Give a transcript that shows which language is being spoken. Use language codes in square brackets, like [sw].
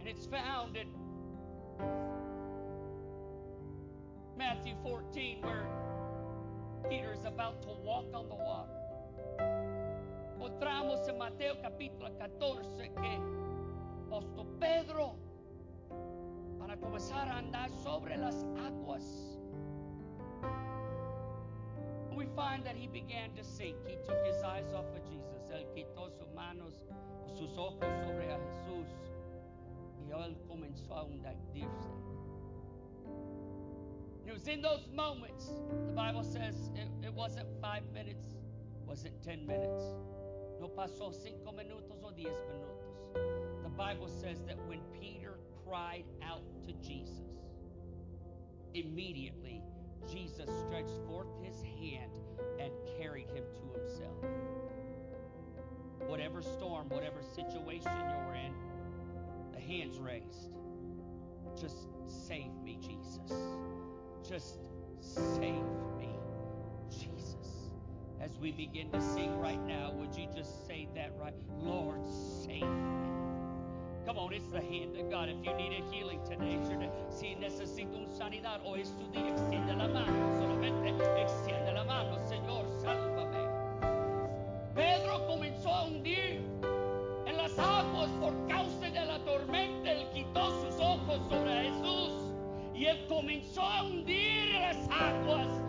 [en] Found in Matthew 14 where Peter is about to walk on the water. [es] Encontramos en Mateo capítulo 14 que apóstol Pedro para comenzar a andar sobre las aguas. [en] We find that he began to sink. He took his eyes off of Jesus. [es] Él quitó sus manos o sus ojos sobre a Jesús. Y él comenzó a hundirse. [en] It was in those moments, the Bible says, it wasn't 5 minutes, wasn't 10 minutes. [es] No pasó 5 minutos o 10 minutos. [en] The Bible says that when Peter cried out to Jesus, immediately Jesus stretched forth his hand and carried him to himself. Whatever storm, whatever situation you're in, the hands raised. Just save me, Jesus. Just save me, Jesus. As we begin to sing right now, would you just say that right? Lord, save me. Come on, it's the hand of God. If you need a healing today, it's your day. [es] Si necesito un sanidad, hoy es tu día. Extiende la mano, solamente extiende la mano, Señor, sálvame. Pedro comenzó a hundir en las aguas por causa tormenta. Él quitó sus ojos sobre Jesús y él comenzó a hundir las aguas.